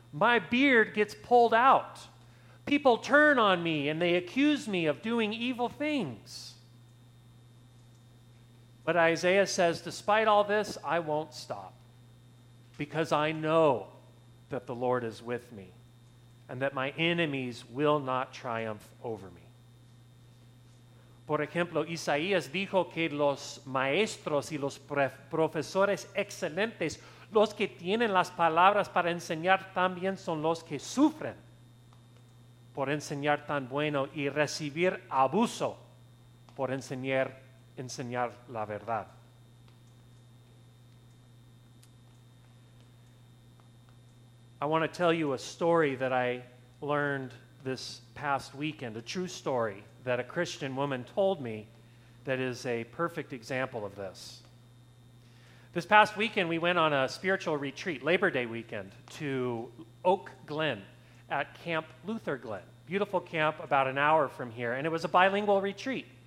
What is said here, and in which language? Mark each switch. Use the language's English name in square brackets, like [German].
[English] My beard gets pulled out. People turn on me and they accuse me of doing evil things." But Isaiah says, despite all this, I won't stop. Because I know that the Lord is with me and that my enemies will not triumph over me. [Spanish] Por ejemplo, Isaías dijo que los maestros y los profesores excelentes, los que tienen las palabras para enseñar, también son los que sufren por enseñar tan bueno y recibir abuso por enseñar la verdad. [English] I want to tell you a story that I learned this past weekend, a true story that a Christian woman told me that is a perfect example of this. This past weekend, we went on a spiritual retreat, Labor Day weekend, to Oak Glen at Camp Luther Glen, beautiful camp about an hour from here, and it was a bilingual retreat.